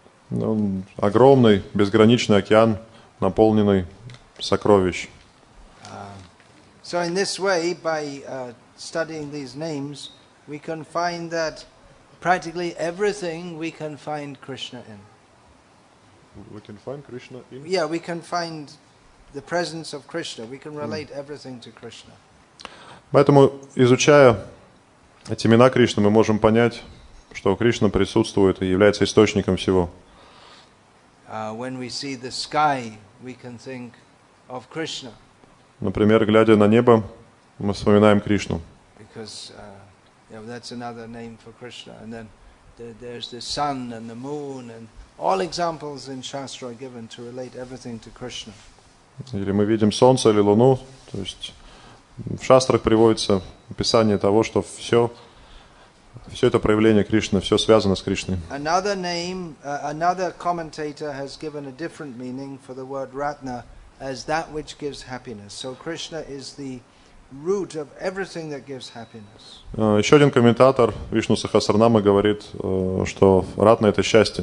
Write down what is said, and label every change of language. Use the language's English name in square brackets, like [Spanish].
[Russian] Ну, огромный, безграничный океан, наполненный сокровищ. [English] So in this way, by studying these names, we can find that practically everything we can find Krishna in. We can find Krishna in? Yeah, we can find the presence of Krishna. We can relate everything to Krishna. [Russian] Поэтому, изучая эти имена Кришны, мы можем понять, что Кришна присутствует и является источником всего. [English] When we see the sky, we can think of Krishna. [Russian] Например, глядя на небо, мы вспоминаем Кришну. [English] Because, yeah, well, that's another name for Krishna. And then there's the sun and the moon and all examples in Shastra are given to relate everything to Krishna. [Russian] Или мы видим солнце или луну, то есть в шастрах приводится описание того, что все это проявление Кришны, все связано с Кришной. [English] Another name, another commentator has given a different meaning for the word Ratna as that which gives happiness. So Krishna is the root of everything that gives happiness. [Russian] Еще один комментатор, Вишну Сахасранама, говорит, что Ратна – это счастье.